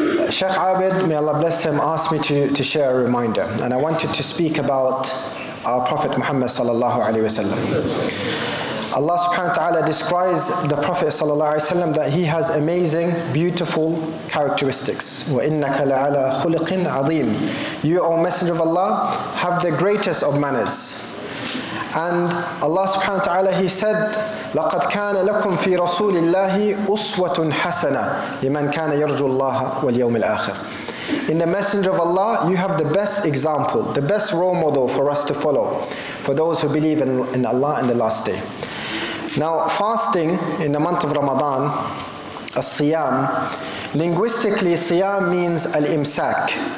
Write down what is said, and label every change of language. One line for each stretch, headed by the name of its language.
English: Shaykh Abid, may Allah bless him, asked me to share a reminder, and I wanted to speak about our Prophet Muhammad sallallahu alayhi wa sallam. Allah subhanahu wa ta'ala describes the Prophet sallallahu alayhi wa sallam that he has amazing, beautiful characteristics.
Arabic: وَإِنَّكَ لَعَلَىٰ خُلِقٍ عَظِيمٍ.
English: You, O Messenger of Allah, have the greatest of manners.
Arabic: And Allah subhanahu wa ta'ala, he said, لَقَدْ كَانَ لَكُمْ فِي رَسُولِ اللَّهِ أُسْوَةٌ حَسَنَةٌ لِمَنْ كَانَ يَرْجُوا اللَّهَ وَالْيَوْمِ الْآخِرِ.
English: In the Messenger of Allah, you have the best example, the best role model for us to follow, for those who believe in Allah and the last day. Now, fasting in the month of Ramadan, as-siyam, linguistically, siyam means al-imsak.